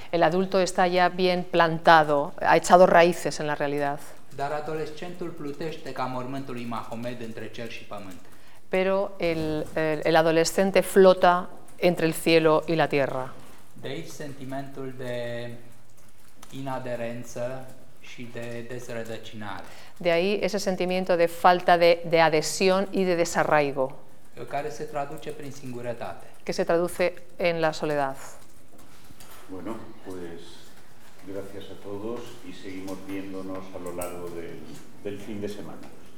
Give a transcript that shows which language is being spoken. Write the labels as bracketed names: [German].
[Spanish] El adulto está ya bien plantado, ha echado raíces en la realidad. [Romanian] Dar adolescentul plutește ca mormântul lui Mahomet între cer și pământ. [Spanish] Pero el adolescente flota entre el cielo y la tierra. [Romanian] De aici sentimentul de inaderență [Spanish] y de desrelacionar. De ahí ese sentimiento de falta de adhesión y de desarraigo. [Romanian] Care se traduce prin singurătate. [Spanish] Que se traduce en la soledad. Bueno, pues gracias a todos y seguimos viéndonos a lo largo del fin de semana.